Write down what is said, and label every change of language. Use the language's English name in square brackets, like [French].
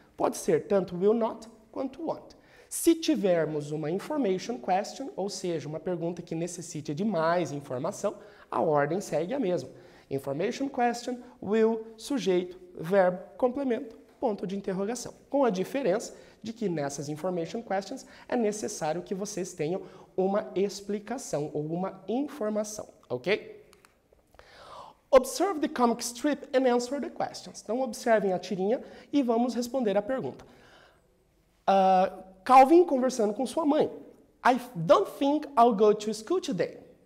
[Portuguese] Pode ser tanto will not quanto won't. Se tivermos uma information question, ou seja, uma pergunta que necessite de mais informação, a ordem segue a mesma. Information question, will, sujeito, verbo, complemento, ponto de interrogação. Com a diferença de que nessas information questions é necessário que vocês tenham uma explicação ou uma informação, ok? [English] Observe the comic strip and answer the questions. [Portuguese] Então, observem a tirinha e vamos responder a pergunta. Calvin conversando com sua mãe. [English] I don't think I'll go to school today.